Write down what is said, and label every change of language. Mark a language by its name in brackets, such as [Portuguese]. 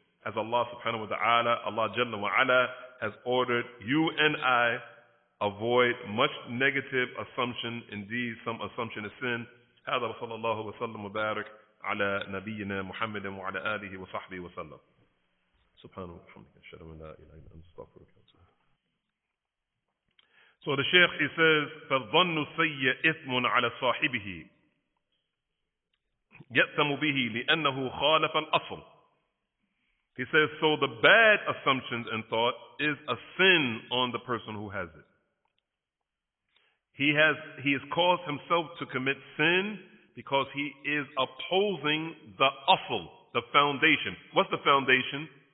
[English] As Allah subhanahu wa ta'ala, Allah jalla wa ala has ordered you and I avoid much negative assumption. Indeed, some assumption is sin. [Arabic] هذا صلى الله وسلم وبارك على نبينا محمد وعلى آله وصحبه وسلم. سبحانه وحمده أشهد أن لا إله إلا أنت أستغفرك. [English] So the Sheikh, he says, [Arabic] فَالظَّنُّ سَيِّئٌ إِثْمٌ عَلَى صَاحِبِهِ يَأْثَمُ بِهِ لِأَنَّهُ خَالَفَ الْأَصْلِ. [English] He says, so the bad assumptions and thought is a sin on the person who has it. He has caused himself to commit sin because he is opposing the asl, the foundation. What's the foundation?